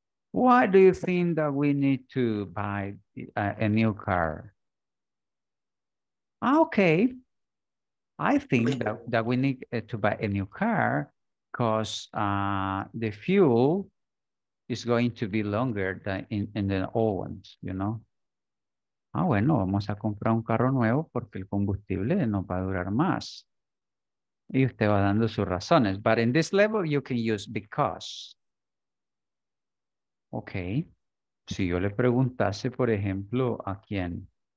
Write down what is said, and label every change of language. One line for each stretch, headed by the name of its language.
English: Why do you think that we need to buy a new car? Okay. I think that we need to buy a new car because the fuel is going to be longer than in the old ones, you know.
Spanish: Ah, bueno, vamos a comprar un carro nuevo porque el combustible nos va a durar más. Y usted va dando sus razones.
English: But in this level, you can use because. Okay.
Spanish: Si yo le preguntase, por ejemplo, a quién.